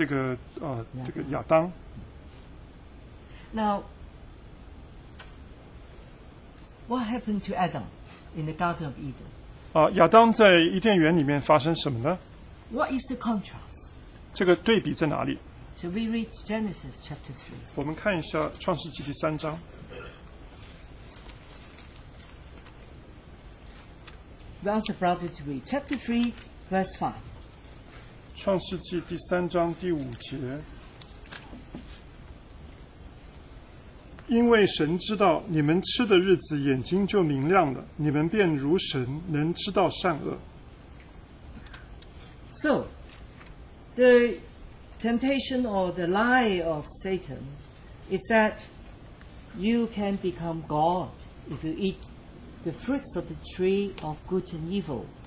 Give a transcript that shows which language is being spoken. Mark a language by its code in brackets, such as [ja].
[zh] 在大比的注释里头，他说，他耶稣成为人，乃是对比这个亚当。 [en] Now, what happened to Adam in the Garden of Eden? [zh] 亚当在伊甸园里面发生什么呢？ [en] What is the contrast? [zh] 这个对比在哪里? [en] So we read Genesis chapter 3. [zh] 我们看一下创世纪第三章。 [en] We ask the brothers to read chapter 3, verse 5. [zh] 创世纪第三章第5节。因为神知道你们吃的日子眼睛就明亮了，你们便如神能知道善恶。 [en] So, the temptation or the lie of Satan is that you can become God if you eat the fruits of the tree of good and evil.